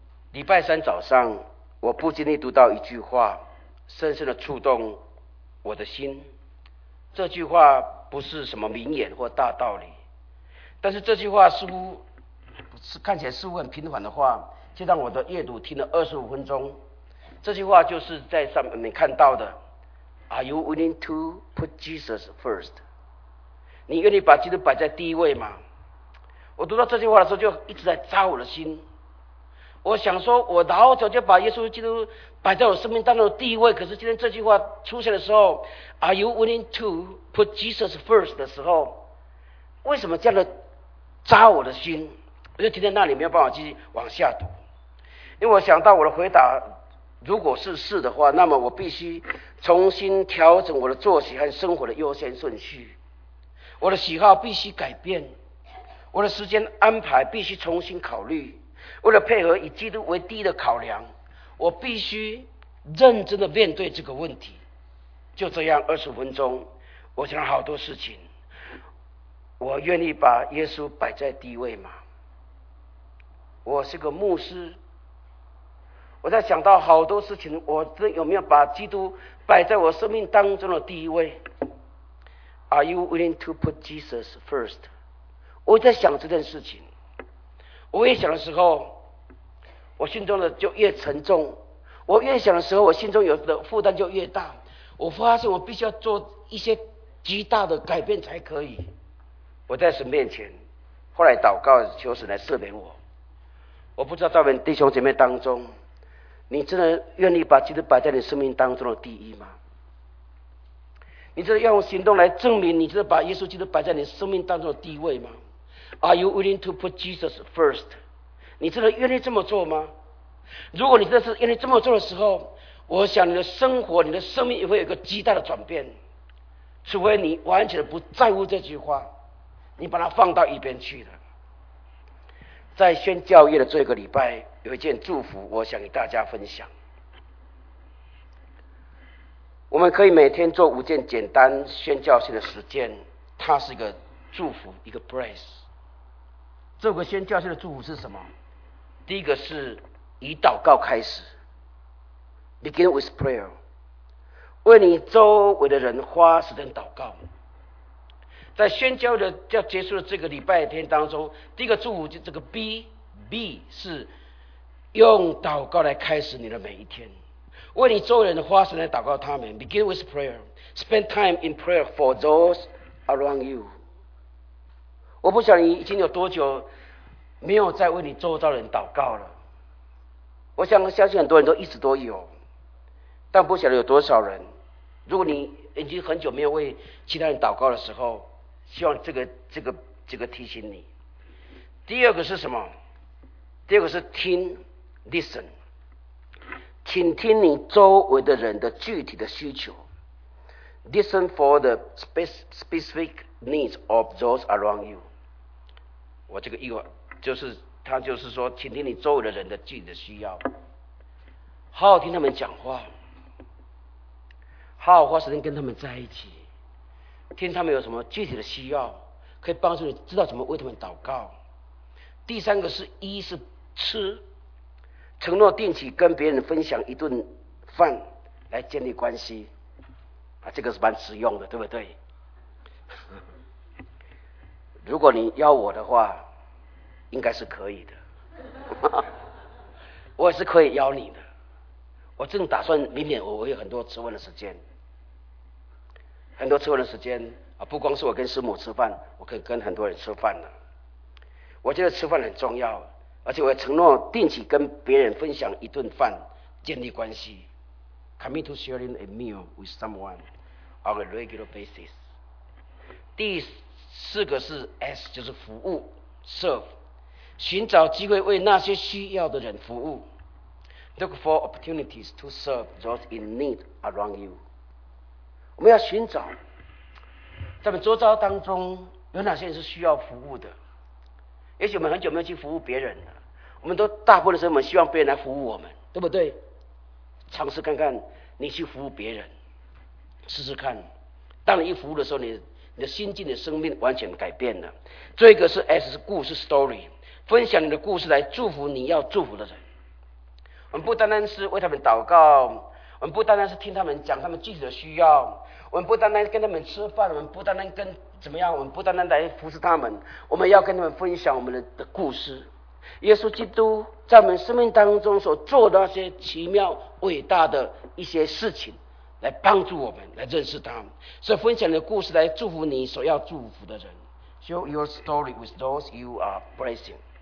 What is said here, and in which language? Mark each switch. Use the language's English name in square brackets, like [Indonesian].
[Chinese] 礼拜三早上，我不经意读到一句话，深深的触动我的心。这句话不是什么名言或大道理，但是这句话似乎是看起来似乎很平凡的话，就让我的阅读听了25分钟。这句话就是在上面你看到的 ： [English] Are you willing to put Jesus first？ [Chinese] 你愿意把基督摆在第一位吗？我读到这句话的时候，就一直在扎我的心。我想说，我老早就把耶稣基督摆在我生命当中的第一位，可是今天这句话出现的时候 ， [English] Are you willing to put Jesus first [Chinese] 的时候，为什么这样的扎我的心？我就停在那里，没有办法继续往下读。因为我想到我的回答，如果是的话，那么我必须重新调整我的作息和生活的优先顺序，我的喜好必须改变，我的时间安排必须重新考虑。为了配合以基督为第一的考量，我必须认真的面对这个问题。就这样25分钟，我想了好多事情。我愿意把耶稣摆在第一位吗？我是个牧师，我在想到好多事情，我有没有把基督摆在我生命当中的第一位？ [English] Are you willing to put Jesus first? [Chinese] 我在想这件事情。我越想的时候，我心中的就越沉重，我越想的时候，我心中有的负担就越大。我发现我必须要做一些极大的改变才可以。我在神面前后来祷告，求神来赦免我。我不知道在我们弟兄姐妹当中，你真的愿意把基督摆在你生命当中的第一吗？你真的要用行动来证明你真的把耶稣基督摆在你生命当中的地位吗？ [English] Are you willing to put Jesus first? [Chinese] 你真的愿意这么做吗？如果你真的是愿意这么做的时候，我想你的生活，你的生命也会有一个极大的转变。除非你完全不在乎这句话，你把它放到一边去了。在宣教业的这个礼拜，有一件祝福我想与大家分享。我们可以每天做5件简单宣教性的实践，它是一个祝福，一个 praise。这个宣教性的祝福是什么？第一个是以祷告开始 ， [English] begin with prayer， [Chinese] 为你周围的人花时间祷告。在宣教的要结束的这个礼拜天当中，第一个祝福就这个 B 是用祷告来开始你的每一天，为你周围人的发声来祷告他们。 [English] Begin with prayer. Spend time in prayer for those around you. [Chinese] 我不晓得你已经有多久没有再为你周遭人祷告了。我想相信很多人都一直都有，但不晓得有多少人。如果你已经很久没有为其他人祷告的时候，希望这个提醒你。第二个是什么？第二个是听 ，listen， 请听你周围的人的具体的需求 ， [English] listen for the specific needs of those around you。 [Chinese] 我这个意思就是，他就是说，请听你周围的人的具体的需要，好好听他们讲话，好好花时间跟他们在一起。听他们有什么具体的需要，可以帮助你知道怎么为他们祷告。第三个是一是吃，承诺定期跟别人分享一顿饭来建立关系，啊，这个是蛮实用的，对不对？如果你要我的话，应该是可以的，我也是可以邀你的。我正打算明年我有很多吃饭的时间。很多吃饭的时间啊，不光是我跟师母吃饭，我可以跟很多人吃饭了。我觉得吃饭很重要，而且我也承诺定期跟别人分享一顿饭，建立关系。 [English] Commit to sharing a meal with someone on a regular basis. [Chinese] 第四个是 S， 就是服务 ，serve， 寻找机会为那些需要的人服务。 [English] Look for opportunities to serve those in need around you. [Chinese] 我们要寻找在我们周遭当中有哪些人是需要服务的。也许我们很久没有去服务别人了，我们都大部分的时候我们希望别人来服务我们，对不对？尝试看看你去服务别人试试看，当你一服务的时候，你的心境的生命完全改变了。最后一个是 S， 是故事 story， 分享你的故事来祝福你要祝福的人。我们不单单是为他们祷告，我们不单单是听他们讲他们具体的需要，我们不单单跟他们吃饭，我们不单单跟怎么样，我们不单单来服侍他们，我们要跟他们分享我们的故事。耶稣基督在我们生命当中所做的那些奇妙伟大的一些事情，来帮助我们来认识他们，所以分享你的故事来祝福你所要祝福的人。 [English] Share your story with those you are blessing.